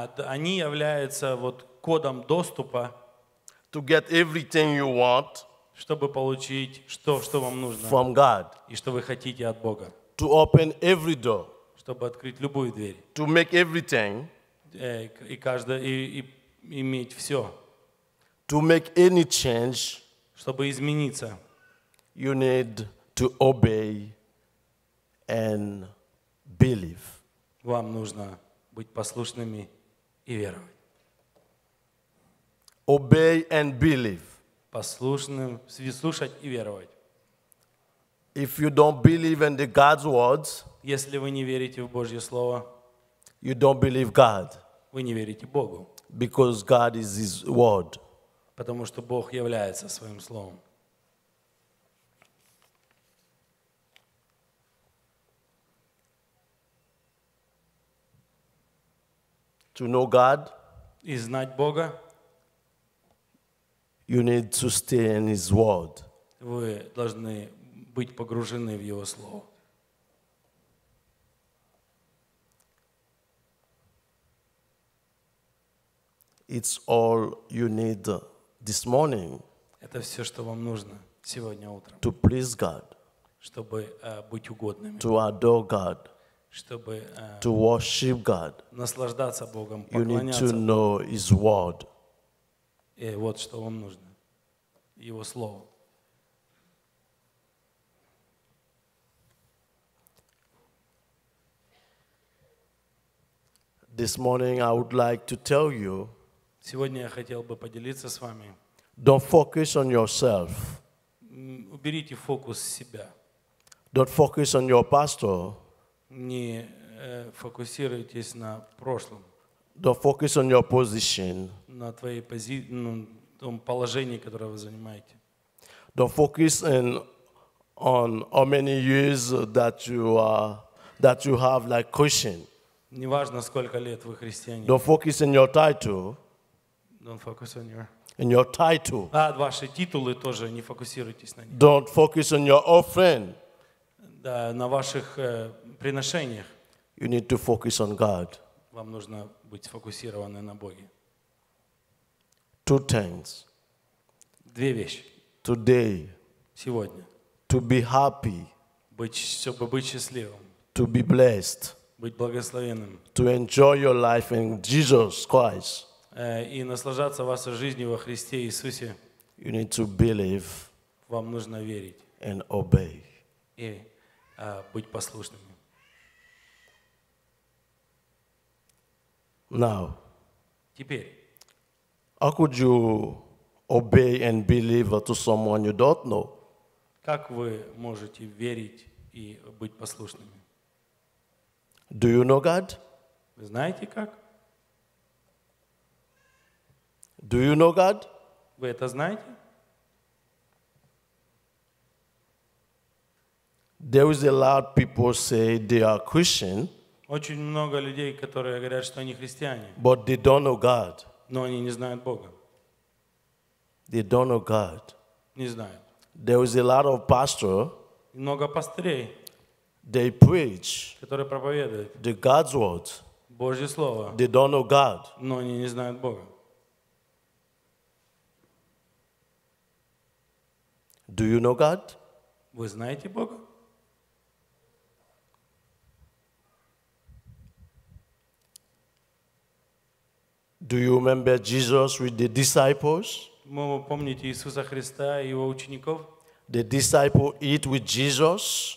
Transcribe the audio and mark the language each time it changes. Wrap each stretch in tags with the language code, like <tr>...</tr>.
<ru>Они являются вот кодом доступа.</ru> <en>To get everything you want.</en> <ru>Чтобы получить что вам нужно.</ru> <en>From God.</en> <ru>И что вы хотите от Бога.</ru> <en>To open every door.</en> <ru>Чтобы открыть любую дверь.</ru> <en>To make everything.</en> <ru>И каждое и иметь все.</ru> <en>To make any change,</en> <ru>чтобы измениться,</ru> <en>you need to obey and believe.</en> <ru>Вам нужно быть послушными и веровать.</ru> <en>Obey and believe.</en> <ru>Послушным, слушать и веровать.</ru> <en>If you don't believe in the God's words,</en> <ru>если вы не верите в Божье слово,</ru> <en>you don't believe God.</en> <ru>Вы не верите Богу.</ru> <en>Because God is His word.</en> <ru>Потому что Бог является своим словом.</ru> <en>To know God,</en> <ru>и знать Бога,</ru> <en>you need to stay in His word.</en> <ru>Вы должны быть погружены в Его слово.</ru> <en>It's all you need. This morning.</en> <ru>Это все, что вам нужно сегодня утром.</ru> <en>To please God.</en> <ru>Чтобы быть угодными.</ru> <en>To adore God.</en> <ru>Чтобы.</ru> <en>To worship God.</en> <ru>Наслаждаться Богом.</ru> <en>You need to know His word.</en> <ru>И вот что вам нужно. Его слово.</ru> <en>This morning I would like to tell you.</en> <ru>Сегодня я хотел бы поделиться с вами.</ru> <en>Don't focus on yourself.</en> <ru>Уберите фокус с себя.</ru> <en>Don't focus on your pastor.</en> <ru>Не фокусируйтесь на прошлом.</ru> <en>Don't focus on your position.</en> <ru>На твоей на том положении, которое вы занимаете.</ru> <en>Don't focus on how many years that you have like Christian.</en> <ru>Не важно, сколько лет вы христианин.</ru> <en>Don't focus on your title. Don't focus on your. And your title.</en> <ru>Ваши титулы тоже не фокусируйтесь на них.</ru> <en>Don't focus on your offering.</en> <ru>Да, на ваших приношениях.</ru> <en>You need to focus on God.</en> <ru>Вам нужно быть сфокусированы на Боге.</ru> <en>Two things.</en> <ru>Две вещи.</ru> <en>Today.</en> <ru>Сегодня.</ru> <en>To be happy.</en> <ru>Чтобы быть счастливым.</ru> <en>To be blessed.</en> <ru>Быть благословенным.</ru> <en>To enjoy your life in Jesus Christ.</en> <ru>И наслаждаться вашей жизнью во Христе Иисусе.</ru> <en>You need to believe.</en> <ru>Вам нужно верить.</ru> <en>And obey.</en> <ru>И быть послушными.</ru> <en>Now.</en> <ru>Теперь.</ru> <en>How could you obey and believe to someone you don't know?</en> <ru>Как вы можете верить и быть послушными?</ru> <en>Do you know God?</en> <ru>Вы знаете как?</ru> <en>Do you know God?</en> <ru>Вы это знаете?</ru> <en>There is a lot of people say they are Christian.</en> <ru>Очень много людей, которые говорят, что они христиане.</ru> <en>But they don't know God.</en> <ru>Но они не знают Бога.</ru> <en>They don't know God.</en> <ru>Не знают.</ru> <en>There is a lot of pastor.</en> <ru>Много пастырей.</ru> <en>They preach.</en> <ru>Которые проповедуют.</ru> <en>The God's word.</en> <ru>Божье слово.</ru> <en>They don't know God.</en> <ru>Но они не знают Бога.</ru> <en>Do you know God?</en> <ru>Вы знаете Бога?</ru> <en>The Do you remember Jesus with the disciples?</en> <ru>Вы помните Иисуса Христа и его учеников?</ru> <en>The disciples eat with Jesus.</en>